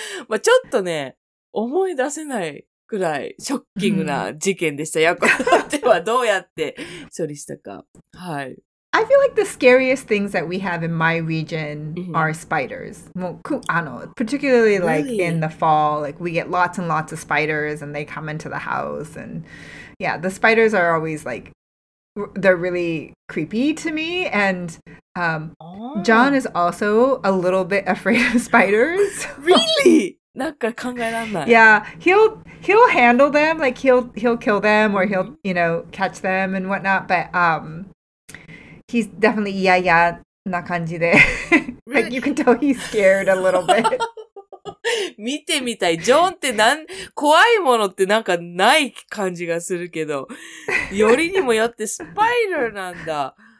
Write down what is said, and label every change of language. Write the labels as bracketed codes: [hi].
[ja] まあちょっとね、思い出せない。くらいショッキングな事件でした。ヤコではどうやって処理したか。はい。 [en] I feel like the scariest things that we have in my region are spiders. Particularly like in the fall, like we get lots and lots of spiders and they come into the house. And yeah, the spiders are always like, they're really creepy to me. And John is also a little bit afraid of spiders. Really? [ja] なんか考えらんない。 [en] Yeah, he'll handle them, like he'll kill them or he'll, you know, catch them and whatnot, but he's definitely [ja] いやいやな感じで。 [en] Really? Like you can tell he's scared a little bit. [ja] 見てみたい。ジョンってなん怖いものってなんかない感じがするけど、よりにもよってスパイダーなんだ。